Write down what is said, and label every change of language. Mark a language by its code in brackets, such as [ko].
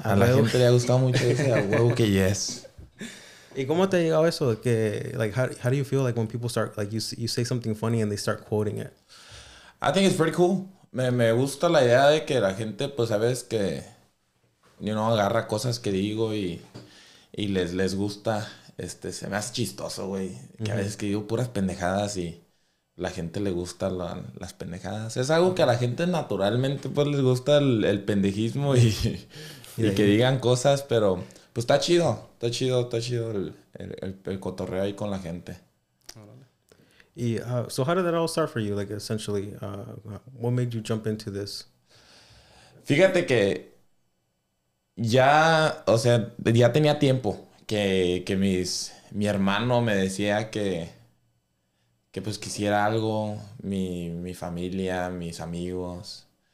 [es] A la gente le ha gustado mucho ese a huevo que yes. ¿Y cómo te ha llegado eso? [en] Que, like, how do you feel like when people start, like, you say something funny and they start quoting it? I think it's pretty cool. [es] Me gusta la idea de que la gente, pues, a veces que, [en] you know, [es] agarra cosas que digo y les gusta. Se me hace chistoso, güey. Mm-hmm. Que a veces que digo puras pendejadas y la gente le gusta las pendejadas. Es algo que a la gente naturalmente, pues, les gusta el pendejismo y que digan cosas, pero... Pues está chido el cotorreo ahí con la gente. [en] Y, so how did that all start for you, like, essentially? What made you jump into this? [es] Fíjate que ya tenía tiempo que mi hermano me decía que pues quisiera algo, mi familia, mis amigos.